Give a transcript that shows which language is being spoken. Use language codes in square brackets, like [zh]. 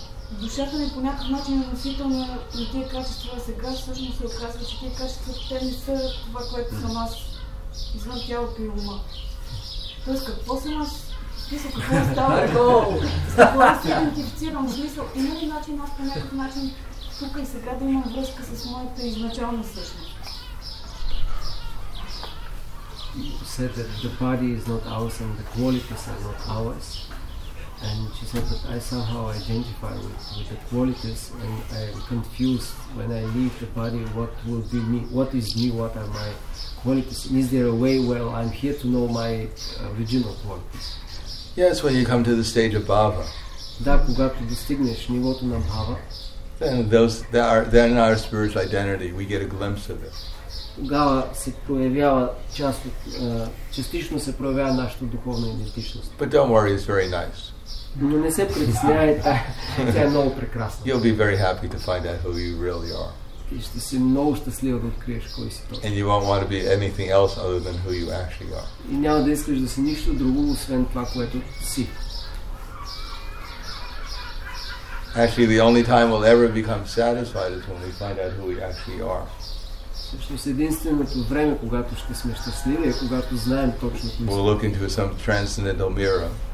[bg] Душата ми по някакъв начин е носител на тия качества, а сега всъщност се оказва, че тия качества те не са това, което съм аз извън тялото и ума. Тоест, какво съм аз? Смисъл, какво става долу? Кога се идентифицирам? Смисъл, има ли начин аз по някакъв начин тук и сега да имам връзка с моята изначална същност? [en] You said that the body is not ours and the qualities are not ours. And she said that I somehow identify with the qualities and I am confused when I leave the body, what will be me, what is me, what are my qualities? Is there a way where I'm here to know my original qualities? Yes, when you come to the stage of bhava. [bg] Да, когато достигнеш нивото на бхава. [en] Then those that are then our spiritual identity, we get a glimpse of it. [bg] Тогава се проявява част от, частично се проявява нашата духовна идентичност. [en] But don't worry, it's very nice. [bg] Но не се притесняй, тя е много прекрасна. [en] You'll be very happy to find out who you really are. [bg] И ще си много щастлива да откриеш кой си точно. [en] And you won't want to be anything else other than who you actually are. [bg] И няма да искаш да си нищо друго, освен това, което си. [en] Actually, the only time we'll ever become satisfied is when we find out who we actually are. [bg] Всъщност единственото време, когато ще сме щастливи, е когато знаем точно кой сме. [en] We'll look into some transcendental mirror.